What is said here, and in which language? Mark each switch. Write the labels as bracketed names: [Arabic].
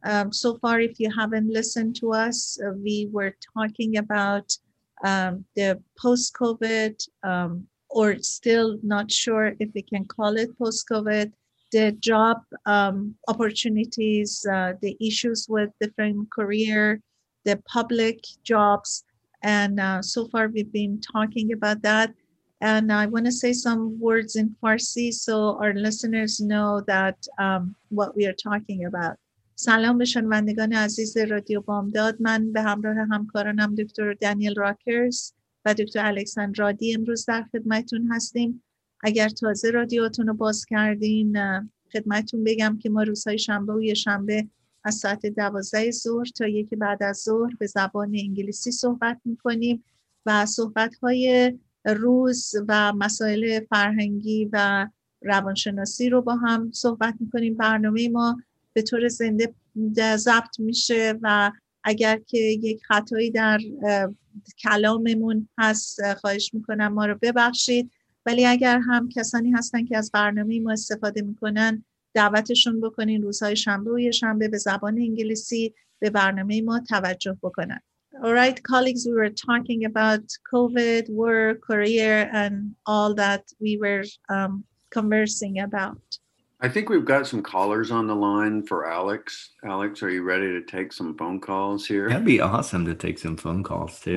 [English] So far, if you haven't listened to us, we were talking about the post-COVID or still not sure if we can call it post-COVID, the job opportunities, the issues with different career, the public jobs. And so far we've been talking about that. And I want to say some words in Farsi so our listeners know that what we are talking about. [Persian] سلام به شنوندگان عزیز رادیو بامداد. من به همراه همکارانم دکتر دانیل راکرز و دکتر الکساندرادی امروز در خدمتون هستیم. اگر تازه رادیواتون رو باز کردین خدمتون بگم که ما روزهای شنبه و یکشنبه از ساعت 12 ظهر تا 1 بعد از ظهر به زبان انگلیسی صحبت می‌کنیم و صحبت‌های روز و مسائل فرهنگی و روانشناسی رو با هم صحبت می‌کنیم. برنامه ما به طور زنده ضبط میشه و اگر که یک خطایی در کلاممون هست خواهش می‌کنم ما رو ببخشید، ولی اگر هم کسانی هستن که از برنامه ما استفاده می‌کنن دعوتشون بکنین روزهای شنبه و یکشنبه به زبان انگلیسی به برنامه ما توجه بکنن. [English] All right, colleagues, we were talking about COVID, work, career, and all that we were conversing about. I think we've got some callers on the line for Alex. Alex, are you ready to take some phone calls here? That'd be awesome to take some phone calls too.